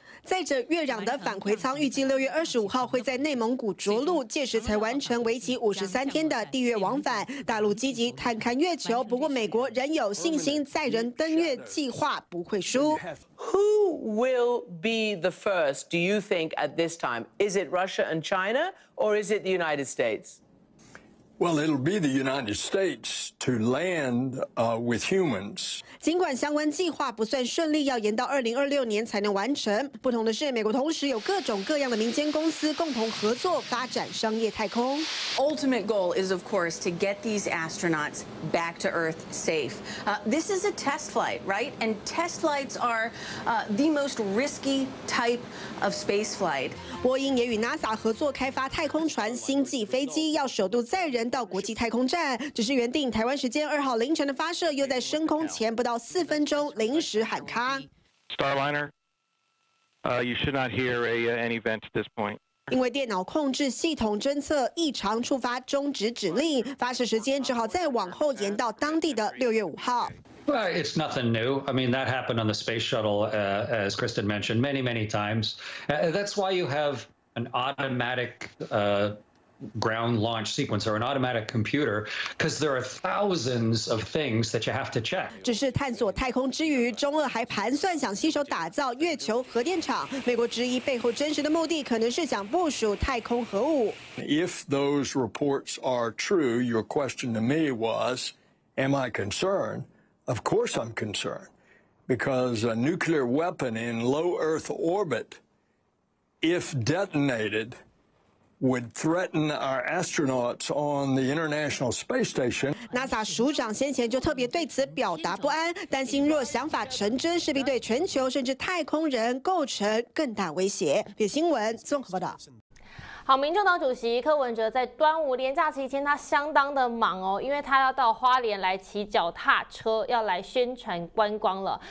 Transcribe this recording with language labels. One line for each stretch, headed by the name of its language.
Chinese: 载着月壤的返回舱预计6月25号会在内蒙古着陆，届时才完成为期53天的地月往返。大陆积极探勘月球，不过美国仍有信心载人登月计划不会输。
English: Who will be the first? Do you think at this time? Is it Russia and China, or is it the United States? Well, it'll be the United States to land with humans.
Chinese: 尽管相关计划不算顺利，要延到2026年才能完成。不同的是，美国同时有各种各样的民间公司共同合作发展商业太空。
English: Ultimate goal is, of course, to get these astronauts back to Earth safe. This is a test flight, right? And test flights are the most risky type of space flight.
Chinese: 波音也与 NASA 合作开发太空船星际飞机，要首度载人到国际太空站，只是原定台湾时间2号凌晨的发射，又在升空前不到4分钟临时喊卡。
English: Starliner, you should not hear an event at this point.
Chinese: 因为电脑控制系统侦测异常，触发终止指令，发射时间只好再往后延到当地的6月5号。
English: Well, it's nothing new. I mean, that happened on the space shuttle, as Kristen mentioned, many, many times. That's why you have an automatic, ground launch sequence or an automatic computer, because there are thousands of things that you have to check.
Chinese: 只是探索太空之余，中俄还盘算想携手打造月球核电厂。美国质疑背后真实的目的可能是想部署太空核武。
English: If those reports are true, your question to me was, am I concerned? Of course I'm concerned, because a nuclear weapon in low Earth orbit, if detonated,would threaten our astronauts on the International Space Station.
Chinese: NASA 署长先前就特别对此表达不安，担心若想法成真，势必对全球甚至太空人构成更大威胁。别新闻综合报道。好，民众党主席柯文哲在端午连假期间，他相当的忙哦，因为他要到花莲来骑脚踏车，要来宣传观光了。